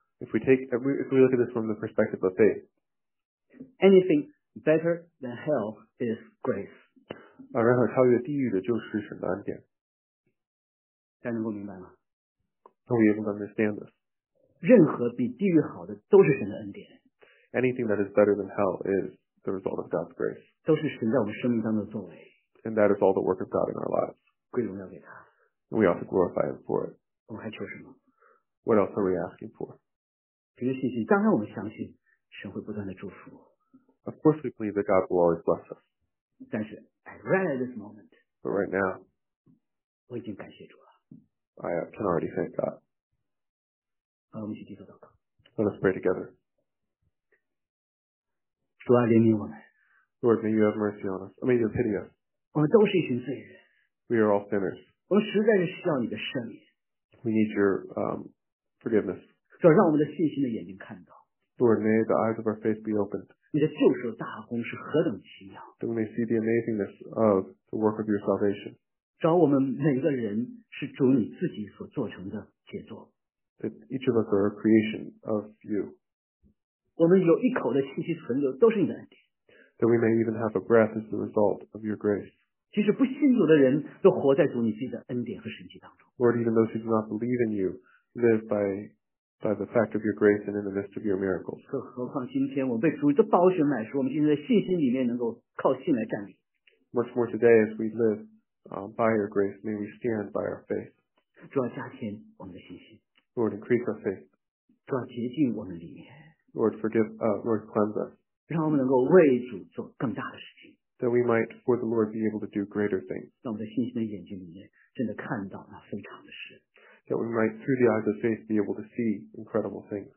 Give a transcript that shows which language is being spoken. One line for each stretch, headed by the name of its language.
English: ，if we look at this from the perspective of faith, anything better than hell is grace.
Chinese: 啊，任何超越地狱的就是神的恩典。大家能够明白吗
English: ？Are we able to understand this?
Chinese: 任何比地狱好的都是神的恩典。
English: Anything that is better than hell is the result of God's grace.
Chinese: 都是神在我们生命当中的作为。
English: And that is all the work of God in our lives.
Chinese: 归荣耀给他。
English: And we ought to glorify Him for it.
Chinese: 我们还求什么？
English: What else are we asking for?
Chinese: 凭着信心，当然我们相信神会不断的祝福。
English: Of course we believe that God will always bless us.
Chinese: 但是
English: right at this moment, but right now,
Chinese: 我已经感谢主了。
English: I can already thank God.
Chinese: 好，我们一起祷告。
English: Let us pray together.
Chinese: 主啊，怜悯我们。
English: Lord, may you have mercy on us. I mean, you pity us.
Chinese: 我们都是一群罪人。
English: We are all sinners.
Chinese: 我们实在是需要你的赦免。
English: We need your forgiveness.
Chinese: 主啊，让我们的信心的眼睛看到。
English: Lord, may the eyes of our faith be opened.
Chinese: 你的救赎大功是何等奇妙。
English: That we may see the amazingness of the work of your salvation.
Chinese: 主啊，我们每个人是主你自己所做成的杰作。
English: That each of us are a creation of you.
Chinese: 我们有一口的气息存留，都是你的恩典。
English: That we may even have a breath as the result of your grace.
Chinese: 其实不信主的人都活在主你自己的恩典和神迹当中。
English: Lord, even those who do not believe in you live by the fact of your grace and in the midst of your miracles.
Chinese: 更何况今天我们被主的宝血买赎，我们今天在信心里面能够靠信来站立。
English: Much more today as we live by your grace, may we stand by our faith.
Chinese: 主要加添我们的信心。
English: Lord, increase our faith.
Chinese: 主要洁净我们里面。
English: Lord, forgive, Lord, cleanse us.
Chinese: 让我们能够为主做更大的事情。
English: That we might for the Lord be able to do greater things.
Chinese: 让我们在信心的眼睛里面真的看到那非常的事。
English: That we might through the eyes of faith be able to see incredible things.